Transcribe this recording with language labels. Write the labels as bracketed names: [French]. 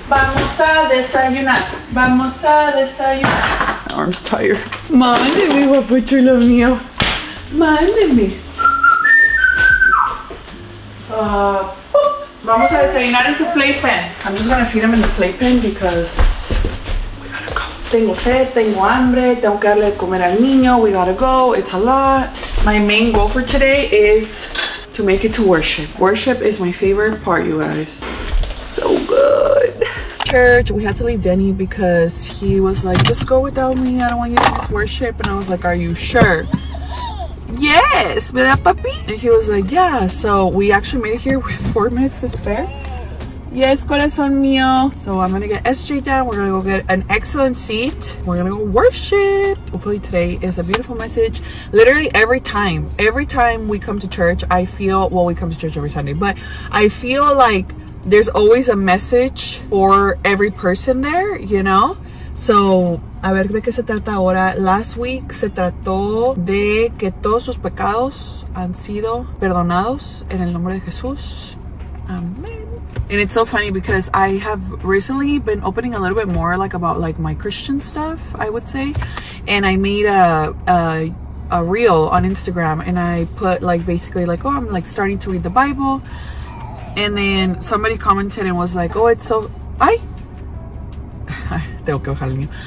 [Spanish] Vamos a desayunar. Vamos a desayunar. [English] My arm's tired. [Spanish] Mándeme, papuchulo mío. Mándeme. Vamos a desayunar en tu playpen. [English] I'm just gonna feed him in the playpen because we gotta go. [Spanish] Tengo sed, tengo hambre, tengo que darle de comer al niño. [English] We gotta go, it's a lot. My main goal for today is to make it to worship. Worship is my favorite part, you guys. So good. Church, we had to leave Denny because he was like, just go without me, I don't want you to miss worship. And I was like, are you sure? Yes, [Spanish] ¿verdad, papi? [English] And he was like, yeah. So we actually made it here with 4 minutes to spare. Yes, [Spanish] corazón mío. [English] So I'm gonna get SJ down. We're gonna go get an excellent seat. We're gonna go worship. Hopefully today is a beautiful message. Literally every time we come to church, I feel, well, we come to church every Sunday, but I feel like there's always a message for every person there, you know? [Spanish] So, a ver de qué se trata ahora. [English] Last week [Spanish] se trató de que todos sus pecados han sido perdonados en el nombre de Jesús. [English] Amen. And it's so funny because I have recently been opening a little bit more like about like my Christian stuff, I would say. And I made a reel on Instagram and I put like basically like, oh, I'm like starting to read the Bible. And then somebody commented and was like, oh, it's so... Ay! [Spanish] Tengo que bajar el niño.